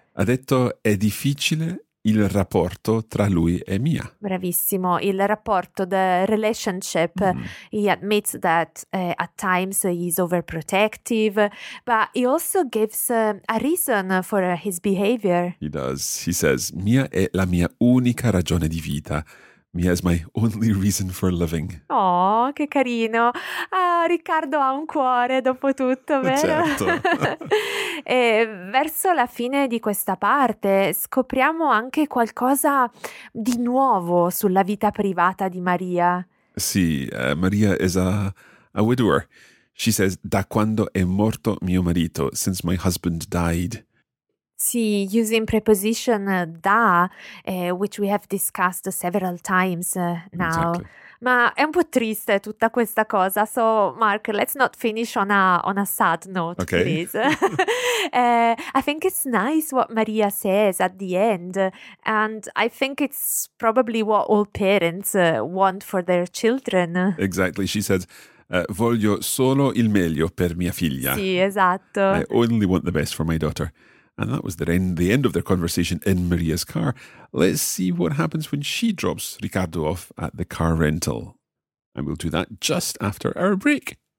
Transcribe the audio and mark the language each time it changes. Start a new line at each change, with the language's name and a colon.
Italian: Ha detto è difficile il rapporto tra lui e Mia. Bravissimo, il rapporto,
English: the relationship.
Italian: Mm-hmm.
English: He admits that at times he's overprotective, but he also gives a reason for his behavior. He does. He says,
Italian: Mia è la mia unica ragione di vita.
English: Mia is my only reason for living.
Italian: Oh, che carino. Riccardo ha un cuore, dopo tutto, vero? Certo. E verso la fine di questa parte scopriamo anche qualcosa di nuovo sulla vita privata di Maria.
English: Sì, Maria is a widower. She says,
Italian: da quando è morto mio marito,
English: since my husband died. Sì, using preposition da, which we have discussed several times now. Exactly.
Italian: Ma è un po' triste tutta questa cosa.
English: So, Mark, let's not finish on a sad note, okay. Please. I think it's nice what Maria says at the end. And I think it's probably what all parents want for their children. Exactly. She says,
Italian: voglio solo il meglio per mia figlia. Sì, esatto.
English: I only want the best for my daughter. And that was the end of their conversation in Maria's car. Let's see what happens when she drops Riccardo off at the car rental. And we'll do that just after our break.